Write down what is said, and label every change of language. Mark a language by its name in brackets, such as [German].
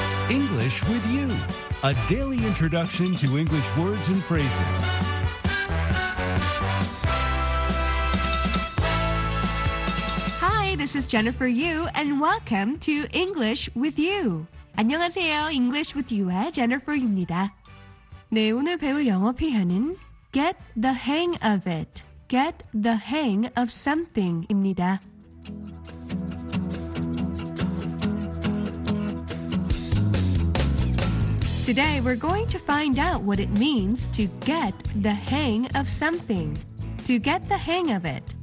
[English] English with you, a daily introduction to English words and phrases. Hi, this is Jennifer Yu, and welcome to English with you. [Korean] 안녕하세요, English with you의 Jennifer 유입니다. 네, 오늘 배울 영어 표현은 [English] Get the hang of it. Get the hang of something [Korean] 입니다. [English] Today, we're going to find out what it means to get the hang of something, to get the hang of it.